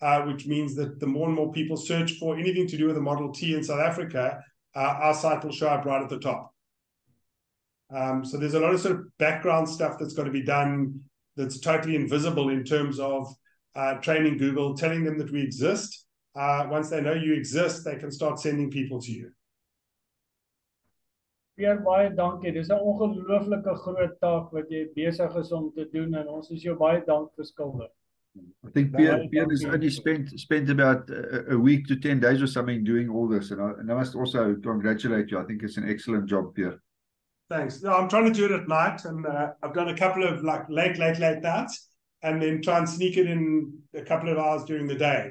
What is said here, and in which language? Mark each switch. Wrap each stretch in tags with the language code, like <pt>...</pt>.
<en>Which means that the more and more people search for anything to do with a Model T in South Africa, our site will show up right at the top. So there's a lot of sort of background stuff that's got to be done that's totally invisible in terms of training Google, telling them that we exist. Once they know you exist, they can start sending people to you.</en> <af>Pierre, baie dankie. Dis 'n ongelooflike groot taak wat jy besig is om te doen, en ons is jou baie dank verskuldig.</af> <en>I think Pierre has only spent about a week to 10 days or something doing all this. And I must also congratulate you. I think it's an excellent job, Pierre. Thanks. No, I'm trying to do it at night. And I've done a couple of like late nights, and then try and sneak it in a couple of hours during the day.</en>